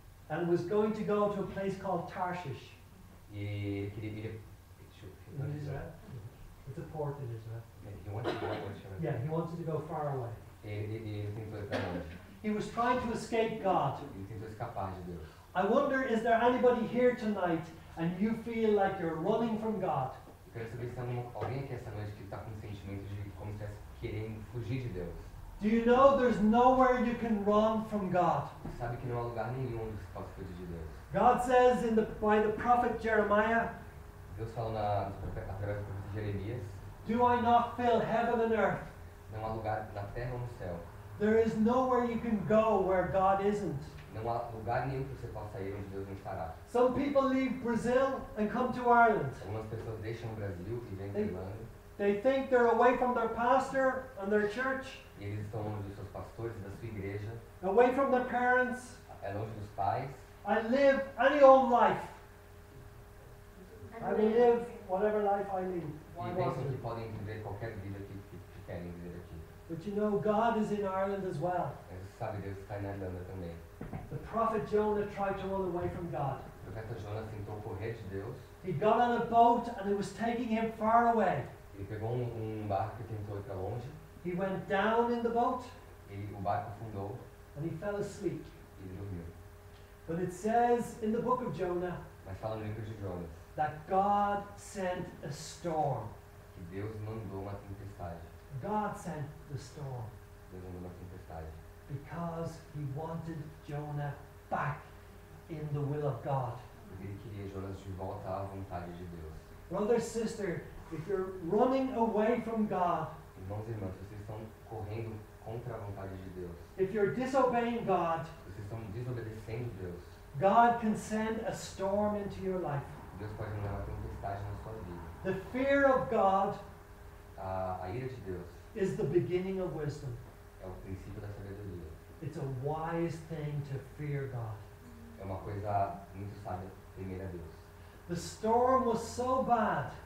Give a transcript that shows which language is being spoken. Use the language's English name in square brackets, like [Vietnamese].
[English] And was going to go to a place called Tarshish. [Portuguese] E ele queria ir. [English] In Israel. It's a port in Israel. He wanted to go away. Yeah, he wanted to go far away. [Portuguese] Ele tentou ir para longe. [English] He was trying to escape God. [Portuguese] Ele tentou escapar de Deus. [English] I wonder, is there anybody here tonight and you feel like you're running from God? [Portuguese] Eu quero saber se tem alguém aqui essa noite que está com um sentimento de como se estivesse querendo fugir de Deus. [English] Do you know there's nowhere you can run from God? [Portuguese] Você sabe que não há lugar nenhum onde você possa fugir de Deus. [English] God says in the by the prophet Jeremiah. [Portuguese] Deus fala através do profeta Jeremias. [English] Do I not fill heaven and earth? [Portuguese] Não há lugar na terra ou no céu. [English] There is nowhere you can go where God isn't. [Portuguese] Não há lugar nenhum que você possa ir onde Deus não estará. [English] Some people leave Brazil and come to Ireland. [Portuguese] Algumas pessoas deixam o Brasil e vêm para a Irlanda. [English] They think they're away from their pastor and their church. [Portuguese] E eles estão longe dos seus pastores e da sua igreja. [English] Away from their parents. [Portuguese] É longe dos pais. [English] I live any old life. I will live whatever life I lead. [Portuguese] E pensam que podem viver qualquer vida que querem viver aqui. [English] But you know, God is in Ireland as well. [Portuguese] Mas você sabe, Deus está na Irlanda também. [English] The prophet Jonah tried to run away from God. [Portuguese] O profeta Jonas tentou correr de Deus. [English] He got on a boat and it was taking him far away. [Portuguese] Ele pegou um barco e tentou ir para longe. [English] He went down in the boat. [Portuguese] O barco afundou. [English] And he fell asleep. [Portuguese] E dormiu. [English] But it says in the book of Jonah. [Portuguese] Mas fala no livro de Jonas. [English] That God sent a storm. [Portuguese] Que Deus mandou uma tempestade. [English] God sent the storm. [Portuguese] Deus mandou uma tempestade. [English] Because he wanted Jonah back in the will of God. [Portuguese] Porque ele queria Jonas de volta à vontade de Deus. [English] Brother, sister, if you're running away from God. [Portuguese] Irmãos e irmãs, vocês estão correndo contra a vontade de Deus. [English] If you're disobeying God. [Portuguese] Vocês estão desobedecendo Deus. [English] God can send a storm into your life. [Portuguese] Deus pode mandar uma tempestade na sua vida. [English] The fear of God. [Portuguese] A ira de Deus. [English] Is the beginning of wisdom. [Portuguese] É o princípio da sabedoria. [English] It's a wise thing to fear God. [Portuguese] é uma coisa muito sábia, temer a Deus. [English] The storm was so bad.